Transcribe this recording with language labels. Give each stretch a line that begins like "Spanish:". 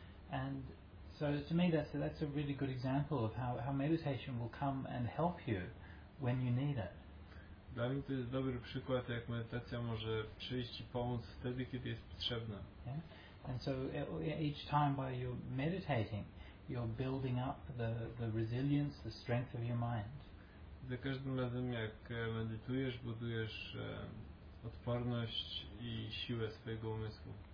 English: And so to me that's a really good example of how meditation will come and help you when you need it.
Polish: Dla mnie to jest dobry przykład, jak medytacja może przyjść i pomóc wtedy, kiedy jest potrzebna.
English: Yeah? And so each time while you're meditating, you're building up the resilience, the strength of your mind.
Polish: Za każdym razem, jak medytujesz, budujesz odporność i siłę swojego umysłu.